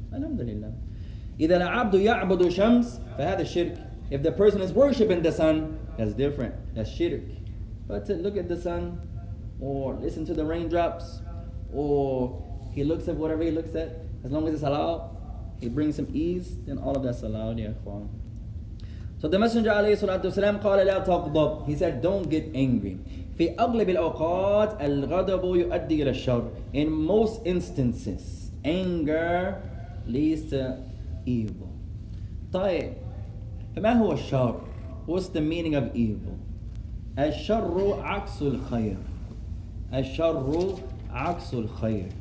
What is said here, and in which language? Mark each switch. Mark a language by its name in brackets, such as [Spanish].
[Arabic] Alhamdulillah. إِذَا الْعَبْدُ يَعْبُدُ شَمْسِ فَهَذَا الشِّرْكِ. [English] If the person is worshipping the sun, that's different. That's shirk. But to look at the sun, or listen to the raindrops, or he looks at whatever he looks at, as long as it's allowed, he brings some ease, then all of that's allowed, ya akhwan. So the Messenger [Arabic] عليه الصلاة والسلام قال لا تغضب. [English] He said, don't get angry. [Arabic] في أغلب الأوقات الغضب يؤدي إلى الشر. [English] In most instances, anger leads to evil. [Arabic] طيب فما هو الشر؟ [English] What's the meaning of evil? [Arabic] الشر عكس الخير. الشر عكس الخير.